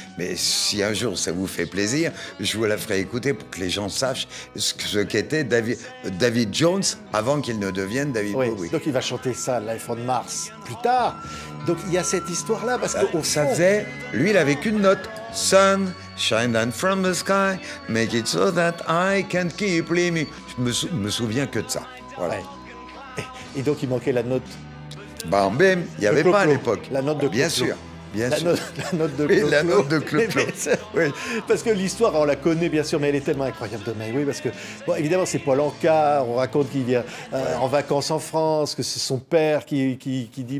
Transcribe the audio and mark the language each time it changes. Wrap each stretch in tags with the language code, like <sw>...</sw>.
<fr>Mais si un jour ça vous fait plaisir, je vous la ferai écouter pour que les gens sachent ce qu'était David Jones avant qu'il ne devienne David oui. Bowie. Donc il va chanter ça, Life on Mars, plus tard. Donc il y a cette histoire-là parce que ça faisait, lui il avait qu'une note.</fr> <en>Sun, shine down from the sky, make it so that I can't keep living.</en> <fr>Je me souviens que de ça. Voilà. Ouais. Et donc, il manquait la note. Bam, bim, il n'y avait pas à l'époque. La note de bien sûr, bien la sûr. La note de Clo-Clo. Oui, la note de Clo-Clo. Oui. Parce que l'histoire, on la connaît, bien sûr, mais elle est tellement incroyable de May. Oui, parce que, bon, évidemment, c'est Paul Anka. On raconte qu'il vient en vacances en France, que c'est son père qui dit...</fr>